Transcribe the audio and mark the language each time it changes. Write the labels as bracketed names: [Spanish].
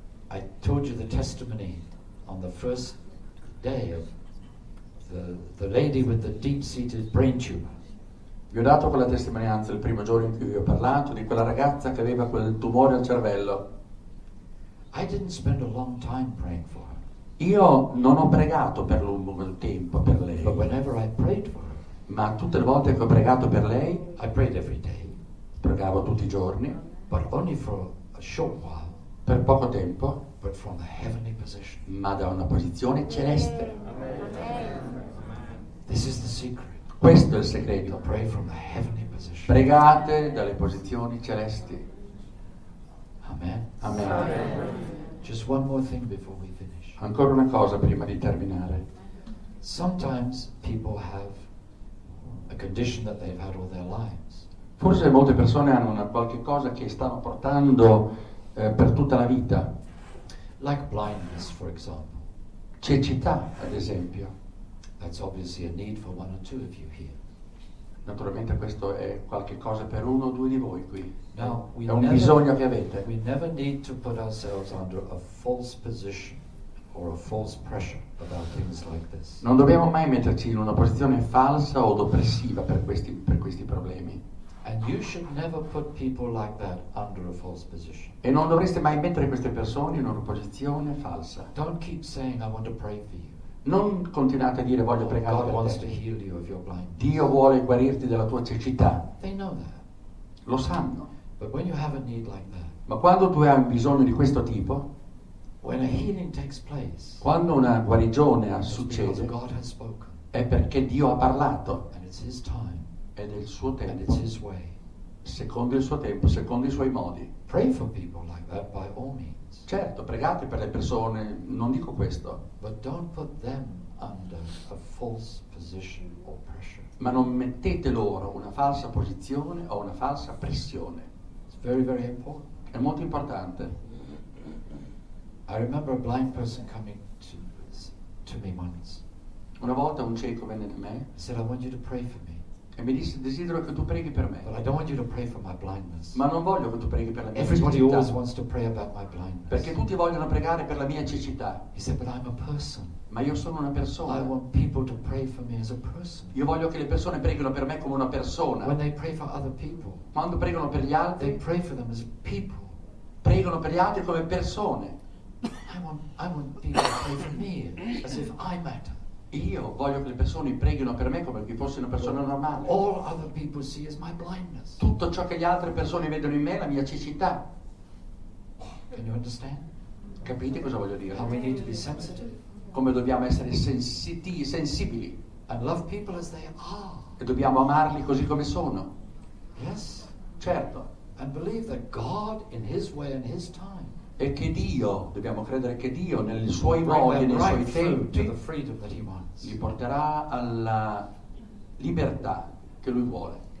[English] I told you the testimony on the first day of the lady with the deep-seated brain tumor. [Italian] Vi ho dato quella testimonianza il primo giorno in cui vi ho parlato di quella ragazza che aveva quel tumore al cervello. [English] I didn't spend a long time praying for her. [Italian] Io non ho pregato per lungo tempo per lei. [English] But whenever I prayed for her, [Italian] ma tutte le volte che ho pregato per lei, [English] I prayed every day. [Italian] Pregavo tutti i giorni. [English] But only for a short while. [Italian] Per poco tempo. [English] But from a heavenly position. [Italian] Ma da una posizione celeste. [English] This is the secret. [Italian] Questo è il segreto. [English] Pray from the heavenly position. [Italian] Pregate dalle posizioni celesti. [English] Amen. [Italian] Amen. [English] Amen. Just one more thing before we finish. [Italian] Ancora una cosa prima di terminare. [English] Sometimes people have a condition that they've had all their lives. [Italian] Forse molte persone hanno una qualche cosa che stanno portando per tutta la vita. [English] Like blindness, for example. [Italian] Cecità, ad esempio. [English] That's obviously a need for one or two of you here. [Italian] Naturalmente questo è qualche cosa per uno o due di voi qui. [English] No, [Italian] è un bisogno che avete. [English] We never need to put ourselves under a false position. or a false pressure about things like this. [Italian] Non dobbiamo mai metterci in una posizione falsa o oppressiva per questi problemi. [English] And you should never put people like that under a false position. [Italian] E non dovreste mai mettere queste persone in una posizione falsa. [English] Don't keep saying I want to pray for you. [Italian] Non continuate a dire voglio pregare [English] God [Italian] per [English] wants [Italian] te. [English] To heal you of your blindness. [Italian] Dio vuole guarirti della tua cecità. [English] They know that. [Italian] Lo sanno. [English] But when you have a need like that, [Italian] ma quando tu hai un bisogno di questo tipo, [English] when a healing takes place, [Italian] quando una guarigione succede, [English] God has spoken, [Italian] è perché Dio ha parlato. [English] And it's his time, [Italian] ed è il suo tempo. [English] And it's his way. [Italian] Secondo il suo tempo, secondo i suoi modi. [English] Pray for people like that by all means. [Italian] Certo, pregate per le persone, non dico questo. [English] But don't put them under a false position or pressure. [Italian] Ma non mettete loro una falsa posizione o una falsa pressione. [English] It's very, very important. [Italian] È molto importante. [English] I remember a blind person coming to me once. [Italian] Una volta un cieco venne da me. [English] He said, I want you to pray for me. [Italian] E mi disse, desidero che tu preghi per me. [English] But I don't want you to pray for my blindness. [Italian] Ma non voglio che tu preghi per la mia [English] Everybody [Italian] cecità. [English] Always wants to pray about my blindness. [Italian] Perché tutti vogliono pregare per la mia cecità. [English] He said, but I'm a person. [Italian] Ma io sono una persona. [English] I want people to pray for me as a person. [Italian] Io voglio che le persone preghino per me come una persona. [English] When they pray for other people, [Italian] quando pregano per gli altri, [English] they pray for them as people. [Italian] Pregano per gli altri come persone. [English] I want people to pray for me as if I matter. [Italian] Io voglio che le persone preghino per me come se fossi una persona normale. [English] All other people see is my blindness. [Italian] Tutto ciò che le altre persone vedono in me è la mia cecità. [English] Can you understand? [Italian] Capite cosa voglio dire? [English] How we need to be sensitive. [Italian] Come dobbiamo essere sensibili. [English] And love people as they are. [Italian] E dobbiamo amarli così come sono. [English] Yes. [Italian] Certo. [English] And believe that God in his way and his time. [Italian] E che Dio, dobbiamo credere che Dio nei suoi modi e nei suoi tempi li porterà alla libertà che lui vuole.